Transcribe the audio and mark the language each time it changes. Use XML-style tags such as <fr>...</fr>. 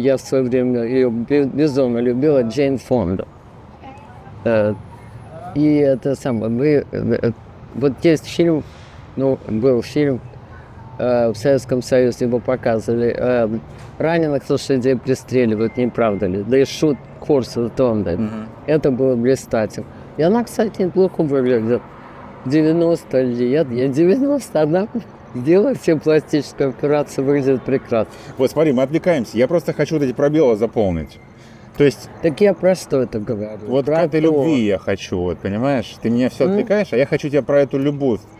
<ru>Я в свое время ее безумно любила, Джейн Фонда. И это самое, вот есть фильм, ну, был фильм в Советском Союзе, его показывали, раненых лошадей пристреливают, не правда ли?</ru> <en>They shoot horses, don't they?</en> <ru>Это было блистательно. И она, кстати, неплохо выглядит. 90 лет, ей 90, она делает все пластические операции, выглядит прекрасно. Вот смотри, мы отвлекаемся, я просто хочу вот эти пробелы заполнить. То есть, так я про что это говорю? Вот про этой любви я хочу, вот, понимаешь? Ты меня все отвлекаешь, а я хочу тебя про эту любовь.</ru>